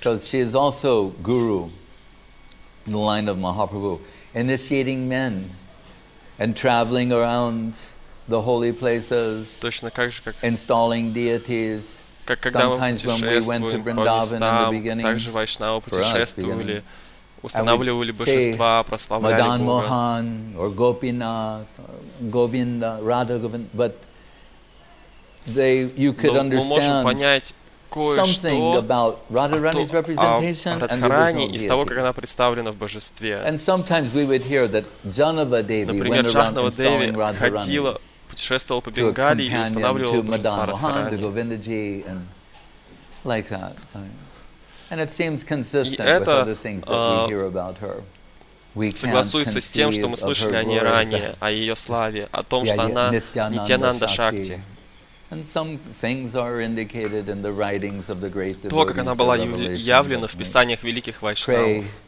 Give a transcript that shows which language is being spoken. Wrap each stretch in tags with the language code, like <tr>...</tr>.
<en>So she is also guru in the line of Mahaprabhu, initiating men and traveling around the holy places, installing deities.</en> <ru>Как когда мы путешествуем по местам, также вайшнавы путешествовали, устанавливали божества, прославляли Бога.</ru> <en>Or Gopinath, or Govinda, Radha Govinda, but you could understand something about Radharani's representation and the original deity.</en> <ru>Из того, как она представлена в божестве.</ru> <en>And sometimes we would hear that Janava Devi went around installing Radharani's.</en> <ru>Путешествовал по Бенгалии и устанавливал божество Радхарани. И это согласуется с тем, что мы слышали о ней ранее, о ее славе, о том, что она Нитьянанда Шакти.</ru> <en>And some things are indicated in the writings of the great devotees.</en> <ru>То, как она была явлена в писаниях великих вайшнавов.</ru>